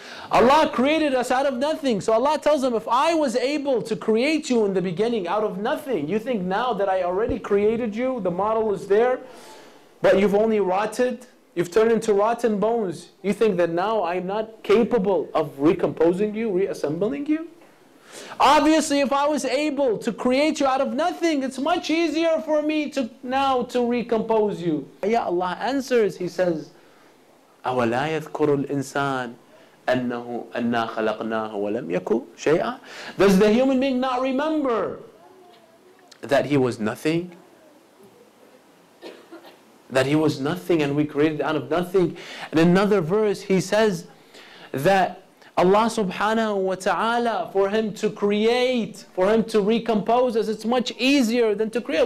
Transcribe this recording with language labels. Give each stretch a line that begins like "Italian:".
English: Allah created us out of nothing. So Allah tells them, if I was able to create you in the beginning out of nothing, you think now that I already created you, the model is there, but you've only rotted, you've turned into rotten bones, you think that now I'm not capable of recomposing you, reassembling you? Obviously, if I was able to create you out of nothing, it's much easier for me to now to recompose you. Ya Allah answers, He says,
Arabic: أَوَ لَا يَذْكُرُ الْإِنسَانِ أَنَّهُ أَنَّا خَلَقْنَاهُ وَلَمْ يَكُوْ شَيْئًا.
English: Does the human being not remember that he was nothing? That he was nothing and we created out of nothing? And in another verse, He says that Allah subhanahu wa ta'ala, for Him to create, for Him to recompose us, it's much easier than to create.